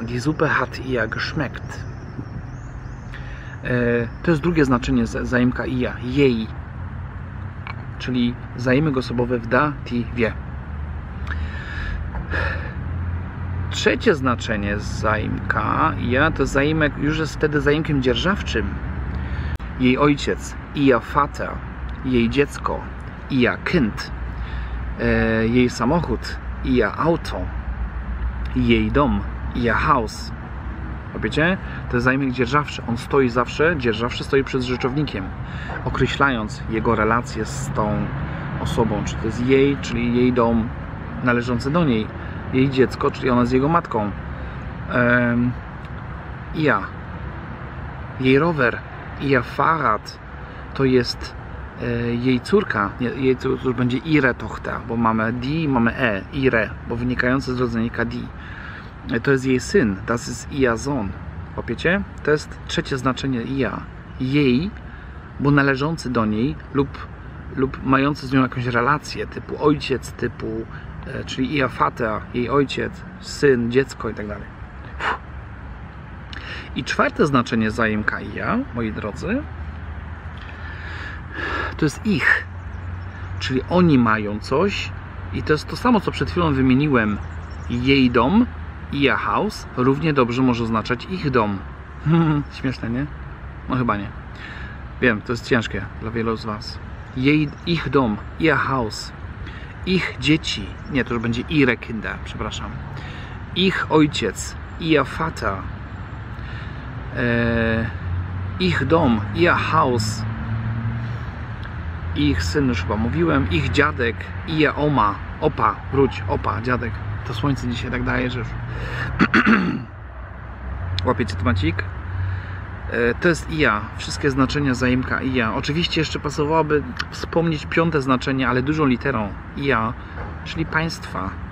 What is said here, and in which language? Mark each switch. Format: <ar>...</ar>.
<de>Die Suppe hat ihr geschmeckt.</de> <pl>To jest drugie znaczenie zaimka ihr. Jej. Czyli zaimek osobowy w datywie. Trzecie znaczenie zaimka ihr to zaimek, już jest wtedy zaimkiem dzierżawczym. Jej ojciec.</pl> <de>Ihr Vater.</de> <pl>Jej dziecko.</pl> <de>Ihr Kind.</de> <pl>Jej samochód,</pl> <de>ihr Auto,</de> <pl>jej dom,</pl> <de>ihr Haus.</de> <pl>Wiecie? To jest zaimek dzierżawczy. On stoi zawsze, dzierżawczy stoi przed rzeczownikiem, określając jego relację z tą osobą. Czy to jest jej, czyli jej dom należący do niej, jej dziecko, czyli ona z jego matką. Ja. Jej rower,</pl> <de>ihr Fahrrad,</de> <pl>to jest jej córka, jej córka będzie</pl> <de>ihre Tochter,</de> <pl>bo mamy die, mamy e, ihre, bo wynikające z rodzajnika die. To jest jej syn,</pl> <de>das ist ihr Sohn.</de> <pl>Opiecie? To jest trzecie znaczenie ja. Jej, bo należący do niej lub mający z nią jakąś relację, typu ojciec, typu, czyli</pl> <de>ihr Vater,</de> <pl>jej ojciec, syn, dziecko i tak dalej. I czwarte znaczenie zaimka ja, moi drodzy, to jest ich, czyli oni mają coś i to jest to samo, co przed chwilą wymieniłem. Jej dom,</pl> <de>ihr Haus,</de> <pl>równie dobrze może oznaczać ich dom. Śmieszne, nie? No chyba nie. Wiem, to jest ciężkie dla wielu z was. Jej, ich dom,</pl> <de>ihr Haus,</de> <pl>ich dzieci, nie, to już będzie</pl> <de>ihre Kinder,</de> <pl>przepraszam. Ich ojciec,</pl> <de>ihr Vater,</de> <pl>ich dom,</pl> <de>ihr Haus.</de> <pl>Ich syn, już chyba mówiłem, ich dziadek, i ja oma, opa, wróć, opa, dziadek. To słońce dzisiaj tak daje, że już... Łapiecie to, macik? To jest i ja, wszystkie znaczenia zaimka i ja. Oczywiście jeszcze pasowałoby wspomnieć piąte znaczenie, ale dużą literą, i ja, czyli państwa.</pl>